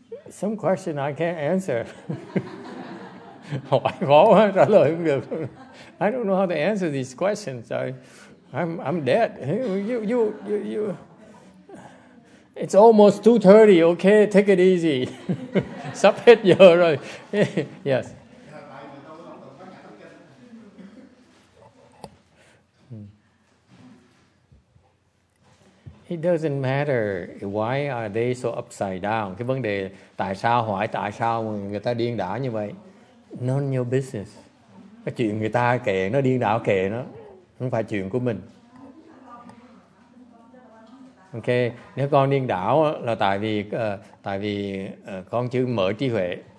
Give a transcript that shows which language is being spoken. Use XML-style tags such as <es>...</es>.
<en>Some question I can't answer.</en> <vi>Hỏi khó quá, trả lời không được.</vi> <en>I don't know how to answer these questions. I'm dead. You It's almost 2:30, okay? Take it easy.</en> <vi>Sắp hết giờ rồi. Yes.</vi> <en>It doesn't matter why are they so upside down.</en> <vi>Cái vấn đề tại sao hỏi tại sao người ta điên đảo như vậy.</vi> <en>None of your business.</en> <vi>Cái chuyện người ta kệ nó, điên đảo kệ nó. Không phải chuyện của mình. Ok, nếu con điên đảo là tại vì con chưa mở trí huệ.</vi>